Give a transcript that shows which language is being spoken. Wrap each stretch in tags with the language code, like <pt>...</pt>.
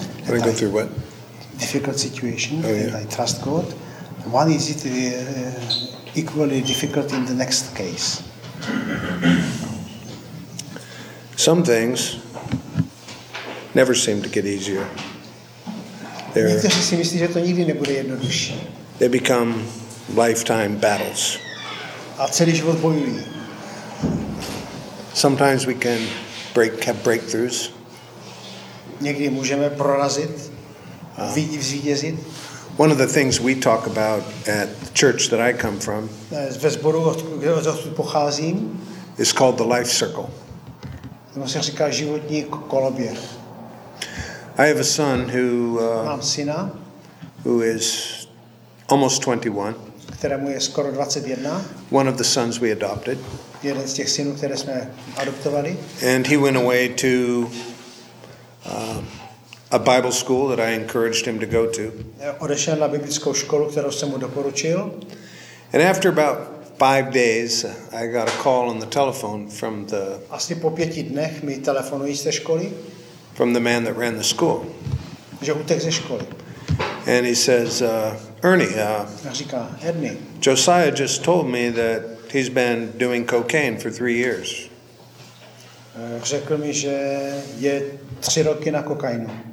<en>when I go through what? Difficult situation, oh, yeah. I trust God. Why is it equally difficult in the next case? Some things never seem to get easier.</en> <cs>Někteří si myslí, že to nikdy nebude jednodušší.</cs> <en>They become lifetime battles.</en> <cs>A celý život bojují.</cs> <en>Sometimes we can have breakthroughs.</en> <cs>Někdy můžeme prorazit, zvítězit.</cs> <en>One of the things we talk about at the church that I come from.</en> <cs>Ve sboru, odkud pocházím.</cs> <en>Is called the life circle.</en> <cs>To se říká životní koloběh.</cs> <en>I have a son who</en> <cs>mám syna,</cs> <en>who is almost 21.</en> <cs>Kterému je skoro 21.</cs> <en>One of the sons we adopted.</en> <cs>Jeden z těch synů, které jsme adoptovali.</cs> <en>And he went away to a Bible school that I encouraged him to go to.</en> <cs>Odešel na biblickou školu, kterou jsem mu doporučil.</cs> <en>And after about 5 days, I got a call on the telephone from the.</en> <cs>Asi po pěti dnech mi telefonují z té školy.</cs> <en>From the man that ran the school.</en> <cs>Že utek ze školy.</cs> <en>And he says, Ernie,</en> <cs>říká, Ernie,</cs> <en>Josiah just told me that he's been doing cocaine for 3 years.</en> <cs>řekl mi, že je 3 roky na kokainu.</cs>